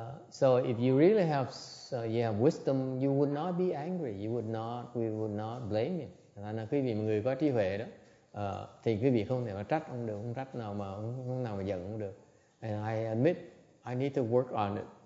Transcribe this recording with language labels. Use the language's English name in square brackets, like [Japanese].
[English] So if you really have wisdom, you would not be angry. We would not blame him. [Vietnamese] Thành ra quý vị mà người có trí huệ đó, thì quý vị không thể mà trách ông được, không trách nào mà không nào mà giận ông được. [English] And I admit, I need to work on it.